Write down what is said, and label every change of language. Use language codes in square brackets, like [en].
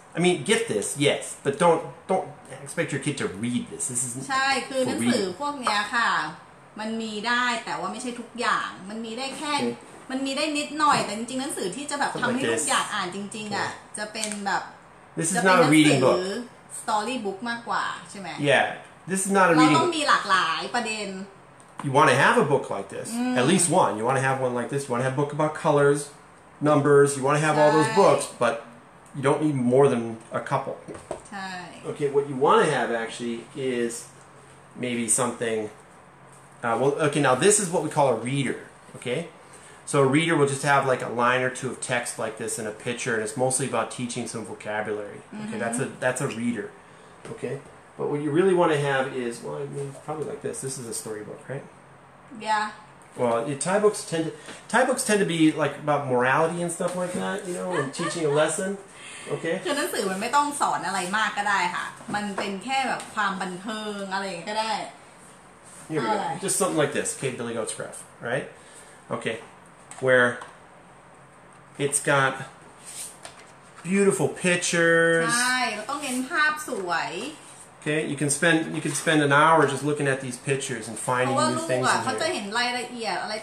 [en] I mean, get this, yes, but don't expect your kid to read this. This is [th] ใช่คือหนังสือพวกเนี้ยค่ะมันมีได้แต่ว่าไม่ใช่ทุกอย่างมันมีได้แค่มันมีได้นิดหน่อยแต่จริงๆหนังสือที่จะแบบทำให้ลูกอยากอ่านจริงๆอ่ะจะเป็นแบบ [en] This is not a reading book. Story book [th] มากกว่าใช่ไหม [en] Yeah, this is not a reading book. [th] เราต้องมีหลากหลายประเด็น [en] You want to have a book like this, at least one. You want to have one like this. You want to have a book about colors, numbers. You want to have all those books, but you don't need more than a couple. Okay, what you want to have actually is maybe something. Okay, now this is what we call a reader, okay? So a reader will just have like a line or two of text like this and a picture, and it's mostly about teaching some vocabulary. Mm-hmm. Okay, that's a reader, okay? But what you really want to have is, well, I mean, probably like this. This is a storybook, right? Yeah. Well, Thai books tend to be like about morality and stuff like that, you know, and teaching a lesson. Okay. [th] คือหนังสือมันไม่ต้องสอนอะไรมากก็ได้ค่ะมันเป็นแค่แบบความบันเทิงอะไรก็ได้ [en] Here we go. Just something like this, Kate Billy Goat's Gruff, right? Okay. Where it's got beautiful pictures. [th] ใช่ต้องเน้นภาพสวย [en] Okay, you can spend an hour just looking at these pictures and finding new things in here.